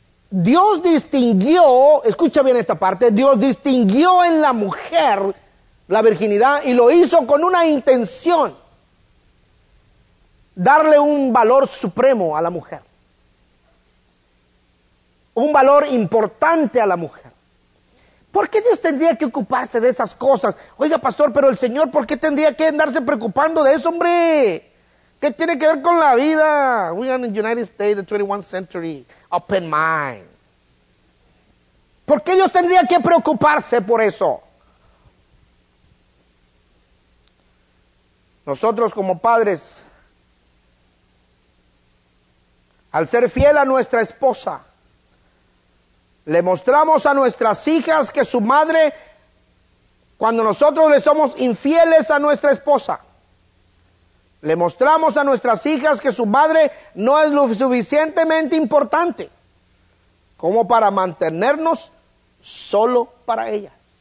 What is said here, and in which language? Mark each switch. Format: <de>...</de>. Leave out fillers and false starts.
<es>Dios distinguió, escucha bien esta parte, Dios distinguió en la mujer la virginidad y lo hizo con una intención, darle un valor supremo a la mujer, un valor importante a la mujer. ¿Por qué Dios tendría que ocuparse de esas cosas? Oiga, pastor, pero el Señor, ¿por qué tendría que andarse preocupando de eso, hombre? ¿Qué tiene que ver con la vida?</es> <en>We are in the United States, the 21st century, open mind.</en> <es>¿Por qué Dios tendría que preocuparse por eso? Nosotros como padres, al ser fiel a nuestra esposa, le mostramos a nuestras hijas que su madre, cuando nosotros le somos infieles a nuestra esposa, le mostramos a nuestras hijas que su madre no es lo suficientemente importante como para mantenernos solo para ellas.</es>